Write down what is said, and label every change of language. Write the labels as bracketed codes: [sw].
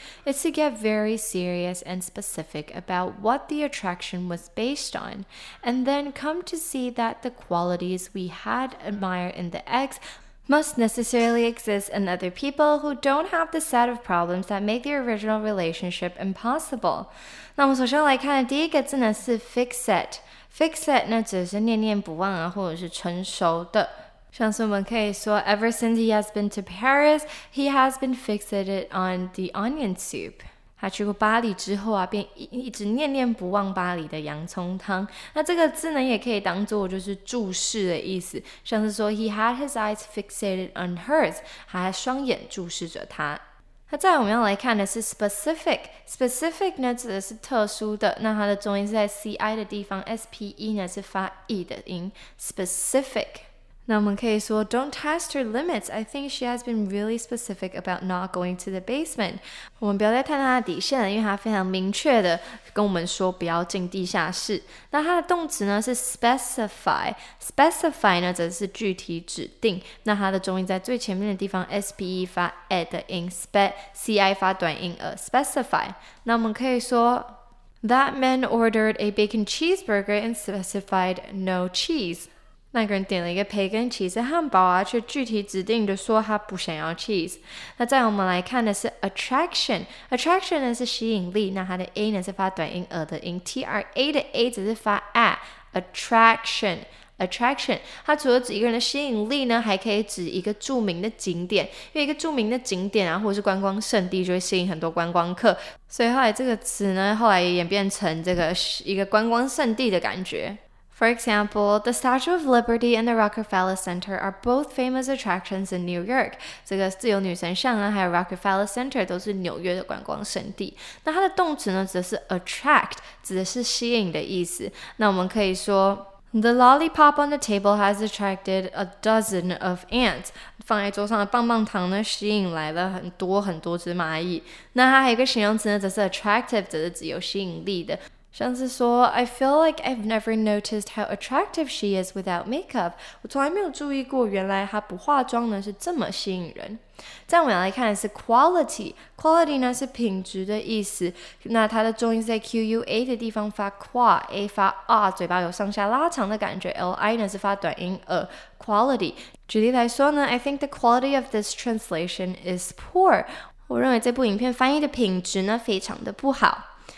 [en] It's to get very serious and specific about what the attraction was based on, and then come to see that the qualities we had admired in the ex must necessarily exist in other people who don't have the set of problems that make the original relationship impossible. [zh] 那我们首先来看第一个字呢是 fix it。fix it 呢只是念念不忘啊，或者是成熟的。像是我们可以说 [en] ,Ever since he has been to Paris, he has been fixated on the onion soup. [zh] 他去过巴黎之后啊便 一直念念不忘巴黎的洋葱汤。那这个字呢也可以当作就是注视的意思。像是说 [en] ,he had his eyes fixated on hers, [zh] 他双眼注视着他。那再来我们要来看的是 specific。specific 呢指的是特殊的，那它的重音是在 CI 的地方 ,SPE 呢是发 E 的音 ,specific。那我们可以说 [en] Don't test her limits. I think she has been really specific about not going to the basement. [zh] 我们不要再探她的底线了，因为她非常明确的跟我们说不要进地下室。那它的动词呢是 specify. specify 呢则是具体指定。那它的重音在最前面的地方 ,SPE 发 E 的音 ,CI 发短音 ,specify. 那我们可以说 [en] That man ordered a bacon cheeseburger and specified no cheese. [zh] 那个人点了一个培根起司汉堡啊，却具体指定的说他不想要 cheese。那再我们来看的是 attraction， attraction 呢是吸引力，那它的 a 呢是发短音 a 的音 ，t r a 的 a 则是发 a attraction。 Attraction， 它除了指一个人的吸引力呢，还可以指一个著名的景点，因为一个著名的景点啊，或者是观光圣地，就会吸引很多观光客。所以后来这个词呢，后来也演变成这个一个观光圣地的感觉。 [en] For example, the Statue of Liberty and the Rockefeller Center are both famous attractions in New York. [zh] 这个自由女神像啊，还有 Rockefeller Center 都是纽约的观光圣地。那它的动词呢，则是 attract， 指的是吸引的意思。那我们可以说 [en] ，The lollipop on the table has attracted a dozen of ants. [zh] 放在桌上的棒棒糖呢，吸引来了很多很多只蚂蚁。那它还有一个形容词呢，则是 attractive， 则是指有吸引力的。像是说 [en] I feel like I've never noticed how attractive she is without makeup. [zh] 我从来没有注意过原来她不化妆呢是这么吸引人。再我们来看的是 quality。quality 呢是品质的意思。那它的重音在 QUA 的地方发 qua, A 发 a, 嘴巴有上下拉长的感觉。 LI 呢是发短音 a, quality。举例来说呢 [en] I think the quality of this translation is poor. [zh] 我认为这部影片翻译的品质呢非常的不好。